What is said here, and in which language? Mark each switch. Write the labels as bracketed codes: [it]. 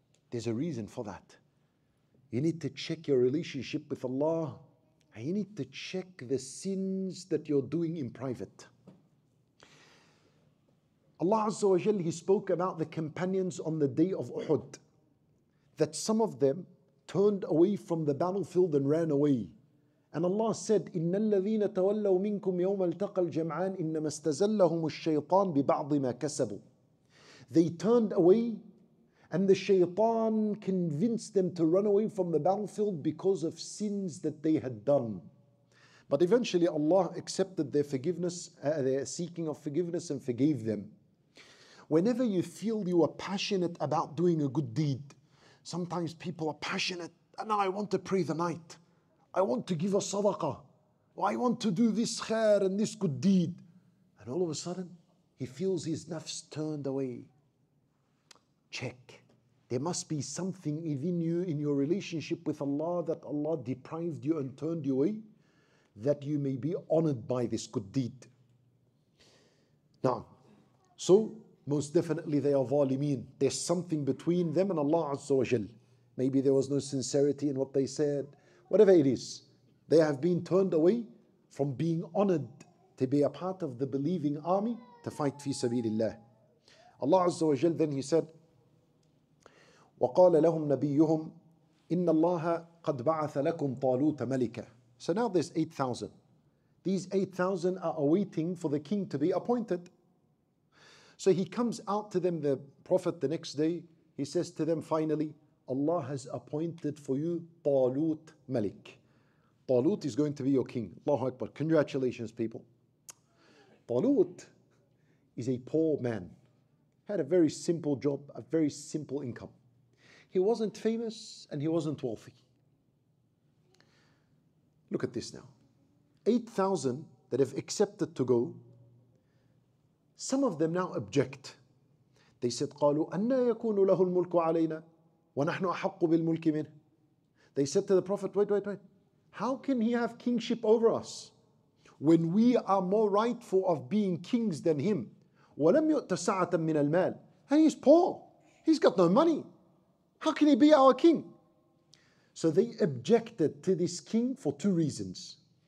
[en] There's a reason for that. You need to check your relationship with Allah. And you need to check the sins that you're doing in private. Allah Azza wa Jal, He spoke about the companions on the day of Uhud, that some of them turned away from the battlefield and ran away. And Allah said, [ar] إِنَّ الَّذِينَ تَوَلَّوْا مِنْكُمْ يَوْمَ الْتَقَى الْجَمْعَانِ إِنَّمَا اسْتَزَلَّهُمُ الشَّيْطَانِ بِبَعْضِ مَا كَسَبُوا. [en] They turned away, and the shaytan convinced them to run away from the battlefield because of sins that they had done. But eventually Allah accepted their forgiveness, their seeking of forgiveness, and forgave them. Whenever you feel you are passionate about doing a good deed, sometimes people are passionate, and I want to pray the night. I want to give a sadaqah. Or I want to do this khair and this good deed. And all of a sudden, he feels his nafs turned away. Check. There must be something within you, in your relationship with Allah, that Allah deprived you and turned you away, that you may be honored by this good deed. Now, so most definitely they are zalimeen. There's something between them and Allah Azza wa Jal. Maybe there was no sincerity in what they said. Whatever it is, they have been turned away from being honored to be a part of the believing army to fight fi sabilillah. Allah Azza wa Jal, then he said, [ar] وَقَالَ لَهُمْ نَبِيُّهُمْ إِنَّ اللَّهَ قَدْ بَعَثَ لَكُمْ طَالُوتَ مَلِكَ. [en] So now there's 8,000. These 8,000 are awaiting for the king to be appointed. So he comes out to them, the prophet, the next day. He says to them, finally, Allah has appointed for you Talut Malik. Talut is going to be your king. Allahu Akbar. Congratulations, people. Talut is a poor man. Had a very simple job, a very simple income. He wasn't famous and he wasn't wealthy. Look at this now. 8,000 that have accepted to go, some of them now object. They said, [ar] قَالُوا أَنَّا يَكُونُ لَهُ الْمُلْكُ عَلَيْنَا وَنَحْنُ أَحَقُّ بِالْمُلْكِ مِنْهِ. [en] They said to the Prophet, wait. How can he have kingship over us when we are more rightful of being kings than him? [ar] وَلَمْ يُؤْتَ سَعَةً مِنَ الْمَالِ. [en] And he's poor. He's got no money. How can he be our king? So they objected to this king for two reasons.